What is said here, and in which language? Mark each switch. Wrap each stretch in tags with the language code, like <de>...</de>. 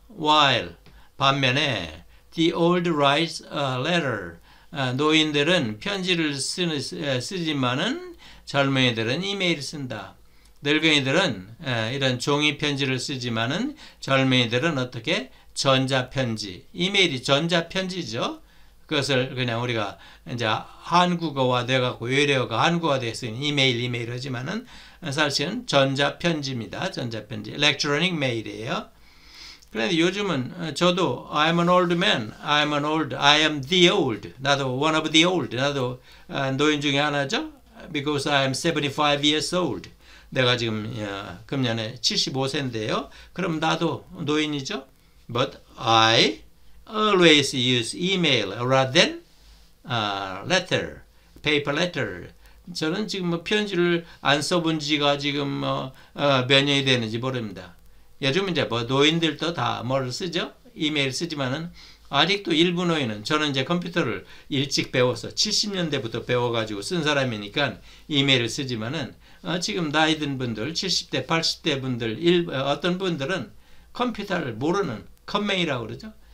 <en>While</en> <ko>반면에,</ko> <en>the old writes a letter.</en> <ko>노인들은 편지를 쓰지만은 젊은이들은 이메일을 쓴다. 늙은이들은 이런 종이 편지를 쓰지만은 젊은이들은 어떻게? 전자편지. 이메일이 전자편지죠. 그것을 그냥 우리가 이제 한국어화 돼갖고 외래어가 한국어화 됐으니 이메일, 이메일 하지만은 사실은 전자편지입니다. 전자편지.</ko> <en>electronic mail이에요.</en> <ko>그런데 요즘은 저도</ko> <en>I'm an old man, I'm an old, I am the old.</en> <ko>나도</ko> <en>one of the old.</en> <ko>나도 노인 중에 하나죠?</ko> <en>Because I am 75 years old.</en> <ko>내가 지금 금년에 75세인데요. 그럼 나도 노인이죠?</ko> <en>But I always use email rather than letter, paper letter.</en> <ko>저는 지금 뭐 편지를 안 써본 지가 지금 뭐, 몇 년이 되는지 모릅니다. 요즘 이제 뭐 노인들도 다뭘 쓰죠? 이메일 쓰지만은 아직도 일본어에는 저는 이제 컴퓨터를 일찍 배워서 70년대부터 배워가지고 쓴 사람이니까 이메일을 쓰지만은 지금 나이 든 분들 70대, 80대 분들 어떤 분들은 컴퓨터를 모르는 컴맹이라고 그러죠.</ko>